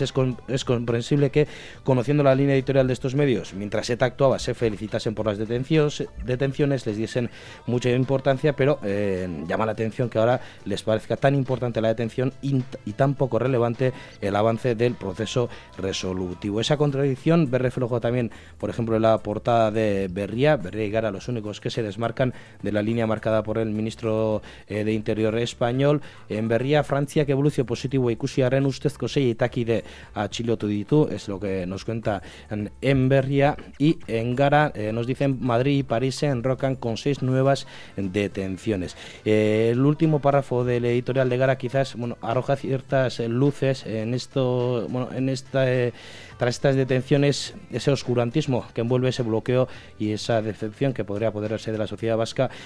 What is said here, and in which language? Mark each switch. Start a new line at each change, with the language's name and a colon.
Spanish: Es comprensible que, conociendo la línea editorial de estos medios, mientras ETA actuaba, se felicitasen por las detenciones, les diesen mucha importancia, pero llama la atención que ahora les parezca tan importante la detención y tan poco relevante el avance del proceso resolutivo. Esa contradicción ve reflejo también, por ejemplo, en la portada de Berria y Gara, los únicos que se desmarcan de la línea marcada por el ministro de Interior español.
Basque: En Berria, Frantziak evoluzio positibo ikusiaren ustezko sei etakide atxilotu ditu,
Spanish: es lo que nos cuenta en Berria. Y en Gara nos dicen: Madrid y París se enrocan con 6 nuevas detenciones. El último párrafo del editorial de Gara quizás, bueno, arroja ciertas luces en esto, bueno, en esta tras estas detenciones, ese oscurantismo que envuelve ese bloqueo y esa decepción que podría apoderarse de la sociedad vasca.